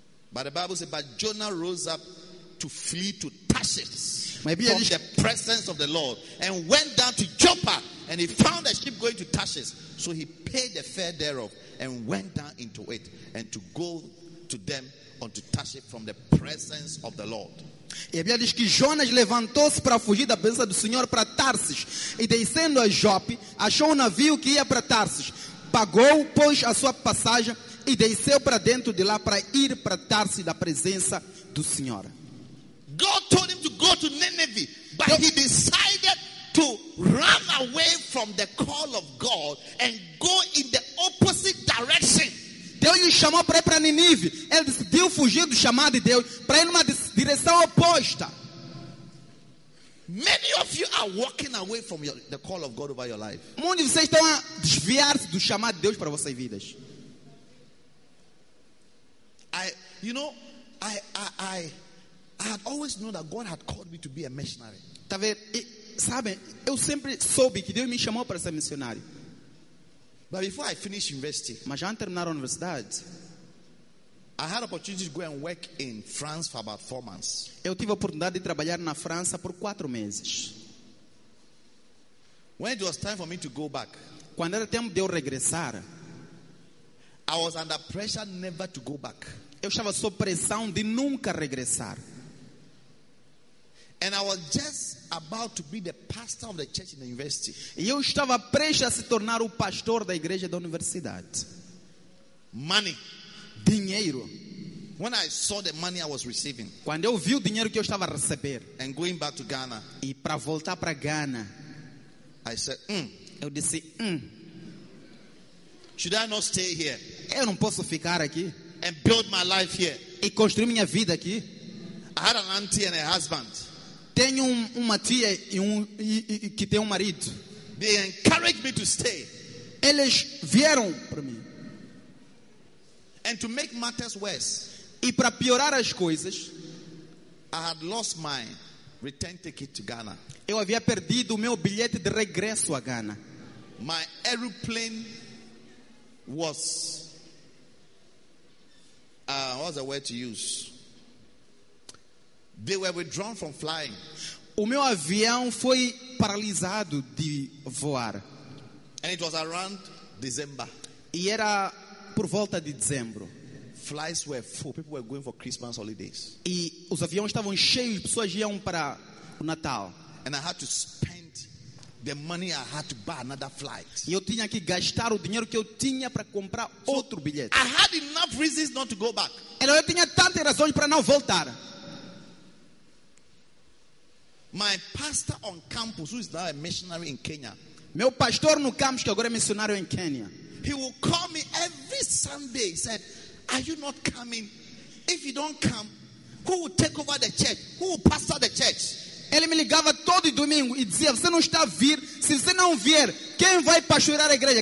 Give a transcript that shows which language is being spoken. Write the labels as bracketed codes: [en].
[en] But the Bible says, but Jonah rose up to flee to Tarshish. From the presence of the Lord, and went down to Joppa, and he found a ship going to Tarshish. So he paid the fare thereof, and went down into it, and to go to them unto Tarshish from the presence of the Lord. [pt] E a Bíblia diz que Jonas levantou-se para fugir da presença do Senhor para Tarsis, e descendo a Jope, achou um navio que ia para Tarsis, pagou, pôs a sua passagem, e desceu para dentro de lá para ir para Tarsis da presença do Senhor. [en] God told him to go to Nineveh, but he decided to run away from the call of God and go in the opposite direction. [pt] Deus lhe chamou para ir para Nineveh. Ele decidiu fugir do chamado de Deus para ir numa direção oposta. [en] Many of you are walking away from the call of God over your life. [pt] Muitos de vocês estão a desviar-se do chamado de Deus para vossas vidas. [en] I had always known that God had called me to be a missionary. [pt] Tá vendo? Sabe, eu sempre soube que Deus me chamou para ser missionário. [en] But before I finished university, [pt] mas antes de terminar a universidade, [en] I had opportunity to go and work in France for about 4 months. [pt] Eu tive a oportunidade de trabalhar na França por 4 meses. [en] When it was time for me to go back, [pt] quando era tempo de eu regressar, [en] I was under pressure never to go back. [pt] Eu estava sob pressão de nunca regressar. [en] And I was just about to be the pastor of the church in the university. [pt] E eu estava prestes a se tornar o pastor da igreja da universidade. [en] Money. [pt] Dinheiro. [en] When I saw the money I was receiving. [pt] Quando eu vi o dinheiro que eu estava a receber. [en] And going back to Ghana. [pt] E para voltar para Ghana. [en] I said, [pt] Eu disse, [en] Should I not stay here? [pt] Eu não posso ficar aqui. [en] And build my life here. [pt] E construir minha vida aqui. [en] I had an auntie and a husband. [pt] Tenho uma tia e que tem um marido. [en] They encouraged me to stay. [pt] Eles vieram para mim. [en] And to make matters worse, [pt] e para piorar as coisas, [en] I had lost my return ticket to Ghana. [pt] Eu havia perdido o meu bilhete de regresso a Ghana. [en] My aeroplane was what's the word to use? They were withdrawn from flying. [pt] O meu avião foi paralisado de voar. [en] And it was around December. [pt] E era por volta de dezembro. [en] Flights were full. People were going for Christmas holidays. [pt] E os aviões estavam cheios, pessoas iam para o Natal. [en] And I had to spend the money I had to buy another flight. [pt] E eu tinha que gastar o dinheiro que eu tinha para comprar outro bilhete. [en] I had enough reasons not to go back. [pt] Eu tinha tantas razões para não voltar. [en] My pastor on campus, who is now a missionary in Kenya. [pt] Meu pastor no campus, que agora é missionário em Kenya. [en] He will call me every Sunday. He said, are you not coming? If you don't come, who will take over the church? Who will pastor the church? [pt] Ele me ligava todo domingo e dizia, você não está a vir? Se você não vier, quem vai pastorear a igreja?